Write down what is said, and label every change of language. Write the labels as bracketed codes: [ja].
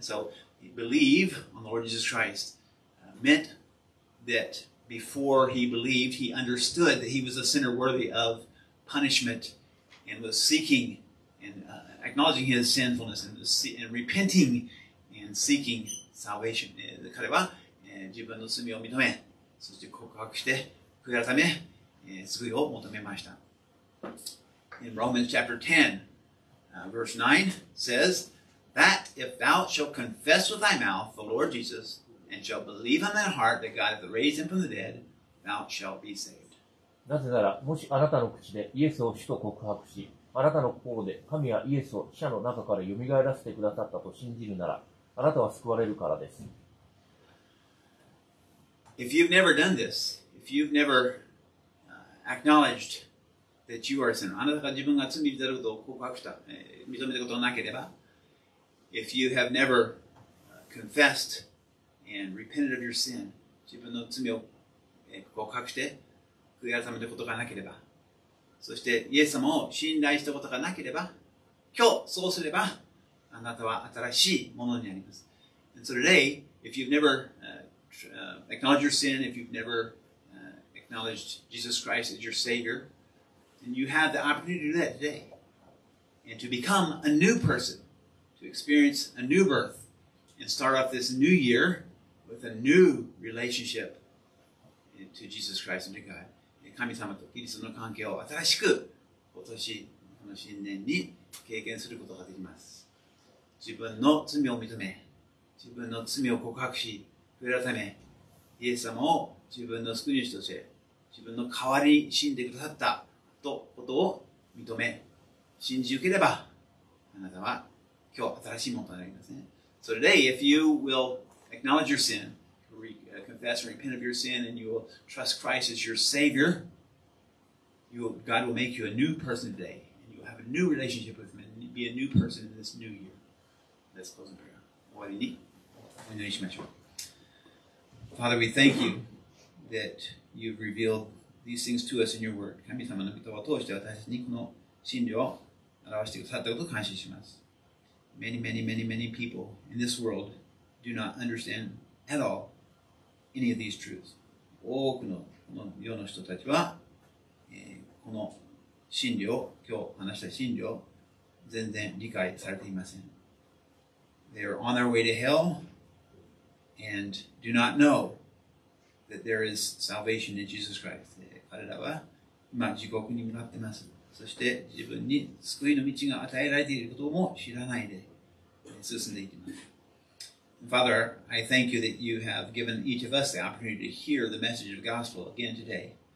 [en] So, believe on the Lord Jesus Christ meant that before he believed, he understood that he was a sinner worthy of punishment and was seeking and acknowledging his sinfulness and repenting and seeking salvation. [ja] 彼は自分の罪を認め、そして告白して、悔い改め、救いを求めました。 [en] In Romans chapter 10, verse 9 says,That if thou shalt confess with thy mouth the Lord Jesus and shalt believe in thy heart that God hath raised him from the dead, thou shalt be saved. [ja] なぜなら、もしあなたの口でイエスを主と告白し、あなたの心で神はイエスを死者の中から蘇らせてくださったと信じるなら、あなたは救われるからです。 [en] If you've never done this, if you've never acknowledged that you are a sinner, [ja] あなたが自分が罪人であることを告白した、認めたことがなければ、 [en] If you have never confessed and repented of your sin, [ja] 自分の罪を告白して、悔い改めたことがなければ、そしてイエス様を信頼したことがなければ、今日そうすれば、あなたは新しいものになります。 [en] And so today, if you've never acknowledged your sin, if you've never acknowledged Jesus Christ as your Savior, then you have the opportunity to do that today. And to become a new person, to experience a new birth, and start off this new year with a new relationship to Jesus Christ and to God. [ja] 神様とキリストの関係を新しく今年この新年に経験することができます。自分の罪を認め、自分の罪を告白し、悔い改め、イエス様を自分の救い主として、自分の代わりに死んでくださったとことを認め、信じ受ければ、あなたは今日新しいものとなりますね。 [en] So today, if you will acknowledge your sin,confess and repent of your sin, and you will trust Christ as your Savior, you will, God will make you a new person today, and you will have a new relationship with Him, and be a new person in this new year. Let's close in prayer. [ja] 終わりにお祈りしましょう。 [en] Father, we thank you that you've revealed these things to us in your word. [ja] 神様の言葉を通して私にこの真理を表してくださったことを感謝します。 [en] Many, many, many, many people in this world do not understand at all. Any of these truths. [ja] 多くの世の人たちは、この真理を、今日話した真理を全然理解されていません。 [en] They are on their way to hell and do not know that there is salvation in Jesus Christ. [ja] 彼らは今地獄に向かっています。そして自分に救いの道が与えられていることも知らないで進んでいきます。 [en] Father, I thank you that you have given each of us the opportunity to hear the message of the gospel again today.